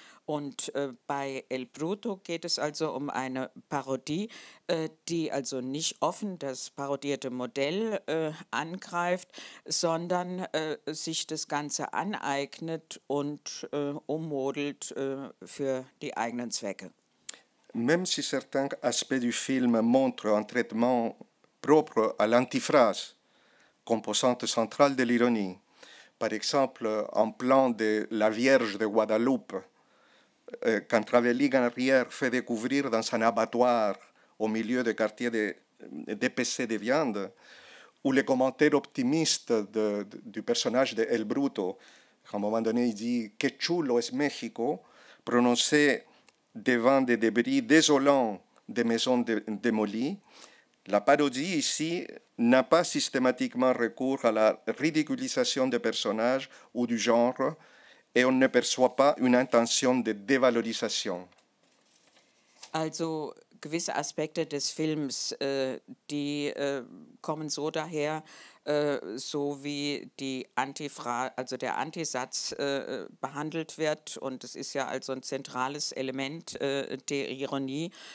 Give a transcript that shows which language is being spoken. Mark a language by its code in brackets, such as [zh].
[de] Und bei El Bruto geht es also um eine Parodie, die also nicht offen das parodierte Modell angreift, sondern sich das Ganze aneignet und ummodelt für die eigenen Zwecke. [fr] Même si certains aspects du film montrent un traitement propre à l'antiphrase, composante centrale de l'ironie, par exemple un plan de la Vierge de Guadeloupe, quand Ravelli en arrière fait découvrir dans un abattoir au milieu de quartiers dépecés de viande, ou les commentaires optimistes du personnage de El Bruto, à un moment donné il dit « [es] Que chulo es México [fr] », prononcé devant des débris désolants des maisons démolies, la parodie ici n'a pas systématiquement recours à la ridiculisation des personnages ou du genre, et on ne perçoit pas une intention de dévalorisation. [de] Also gewisse Aspekte des Films, die kommen so daher, so wie die also der Antisatz behandelt wird. Und es ist ja also ein zentrales Element der Ironie.